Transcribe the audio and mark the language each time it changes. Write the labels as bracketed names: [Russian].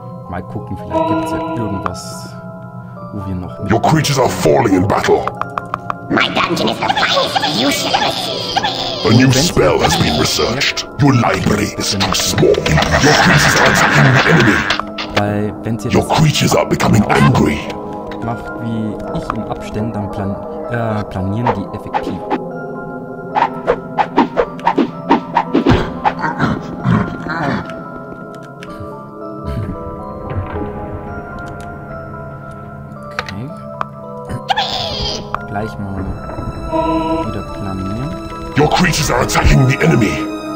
[German] Mal gucken, vielleicht gibt's ja irgendwas, wo wir noch. [English] Your creatures are falling in battle. My dungeon is the finest useless. A new spell has been researched. Your library is too small. Your creatures are attacking the enemy. [German] Weil, wenn sie [English] Your creatures are becoming angry. [German] Macht wie ich im Abständen, dann planieren die effektiv. Okay. Gleich mal wieder planieren. [English] Your creatures are attacking the enemy.